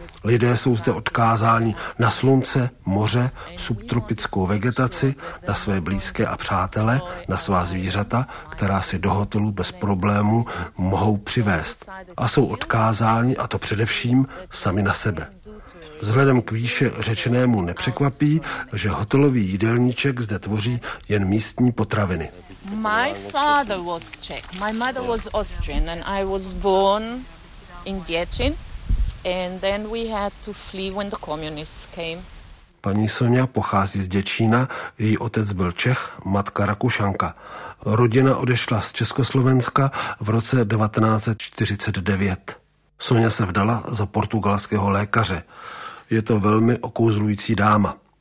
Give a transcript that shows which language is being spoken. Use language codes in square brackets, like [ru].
[cs] Lidé jsou zde odkázáni na slunce, moře, subtropickou vegetaci, na své blízké a přátele, na svá zvířata, která si do hotelu bez problémů mohou přivést. A jsou odkázáni, a to především, sami na sebe. Vzhledem k výše řečenému nepřekvapí, že hotelový jídelníček zde tvoří jen místní potraviny. [en] My father was Czech, my mother was Austrian and I was born in Děčín. And then we had to flee when the communists came. [cs] Paní Sonia pochází z Děčína, její otec byl Čech, matka Rakušanka. Rodina odešla z Československa v roce 1949. Sonia se vdala za portugalského lékaře. Je to velmi okouzlující dáma.